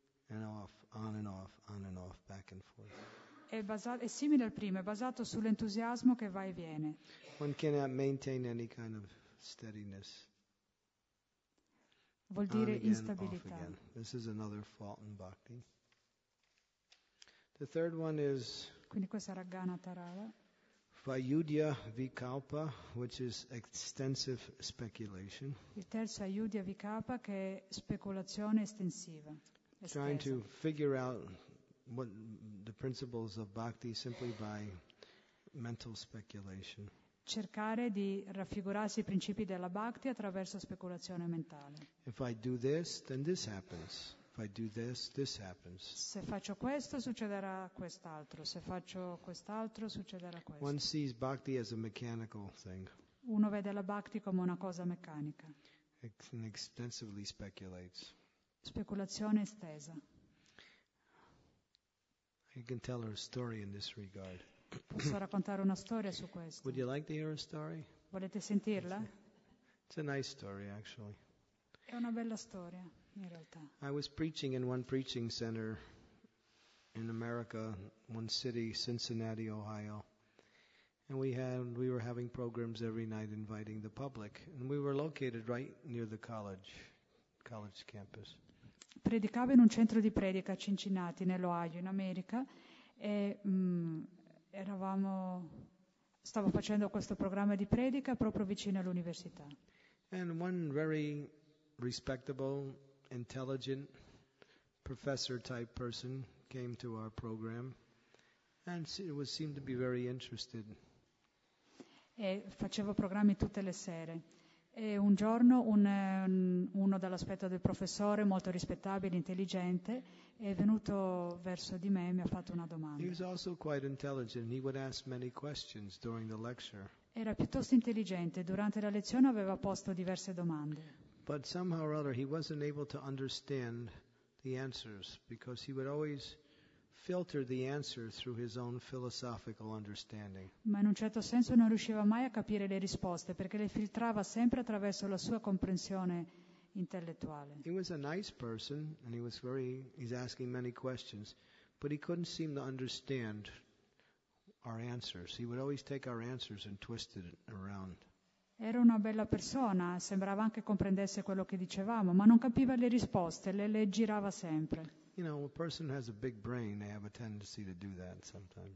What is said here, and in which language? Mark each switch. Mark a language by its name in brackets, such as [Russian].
[English] And off, on and off, back and forth. [Italian] È simile al primo, è basato sull'entusiasmo che va e viene. [English] One cannot maintain any kind of steadiness. [Italian] Vuol dire instabilità. [English] This is another fault in bhakti. The third one is. [Italian] Quindi questa era Gana Tarala. [English] Vayudhya Vikalpa, which is extensive speculation. [Italian] Il terzo è Ayudhya Vikalpa, che è speculazione estensiva. [English] Trying to figure out what the principles of bhakti simply by mental speculation. [Italian] Cercare di raffigurarsi i principi della bhakti attraverso speculazione mentale. [English] If I do this, then this happens. If I do this, this happens. [Italian] Se faccio questo, succederà quest'altro. Se faccio quest'altro, succederà questo. [English] One sees bhakti as a mechanical thing. [Italian] Uno vede la bhakti come una cosa meccanica. [English] And extensively speculates. [Italian] Speculazione estesa. [English] I can tell her a story in this regard. [Italian] Posso raccontare una storia su questo? [English] Would you like to hear a story? [Italian] Volete sentirla? [English] It's a nice story, actually. [Italian] È una bella storia, in realtà. [English] I was preaching in one preaching center in America, one city, Cincinnati, Ohio. And we were having programs every night inviting the public. And we were located right near the college campus. [Italian] Predicavo in un centro di predica a Cincinnati, nell'Ohio, in America, e stavo facendo questo programma di predica proprio vicino all'università. [English] And one very respectable, intelligent professor type person came to our program and seemed to be very interested. [Italian] E facevo programmi tutte le sere. E un giorno uno dall'aspetto del professore, molto rispettabile, intelligente, è venuto verso di me e mi ha fatto una domanda. [English] He was also quite intelligent. He would ask many questions during the lecture. [Italian] Era piuttosto intelligente. Durante la lezione aveva posto diverse domande. [English] But somehow or other he wasn't able to understand the answers because he would always filter the answer through his own philosophical understanding. [Italian] Ma in un certo senso non riusciva mai a capire le risposte perché le filtrava sempre attraverso la sua comprensione intellettuale. [English] He was a nice person and he's asking many questions, but he couldn't seem to understand our answers. He would always take our answers and twist it around. [Italian] Era una bella persona, sembrava anche comprendesse quello che dicevamo, ma non capiva le risposte, le girava sempre. [English] You know, a person has a big brain, they have a tendency to do that sometimes.